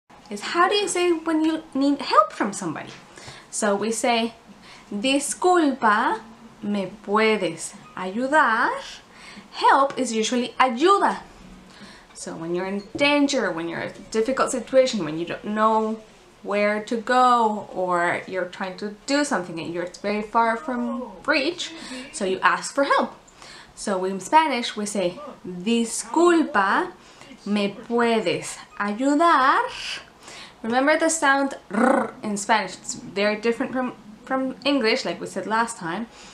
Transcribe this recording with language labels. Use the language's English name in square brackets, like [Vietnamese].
[English] Is how do you say when you need help from somebody? So we say, [Spanish] disculpa, ¿me puedes ayudar? [English] Help is usually ayuda. So when you're in danger, when you're in a difficult situation, when you don't know where to go, or you're trying to do something and you're very far from reach, so you ask for help. So in Spanish we say, [Spanish] disculpa, ¿me puedes ayudar? [English] Remember the sound r in Spanish. It's very different from English, like we said last time.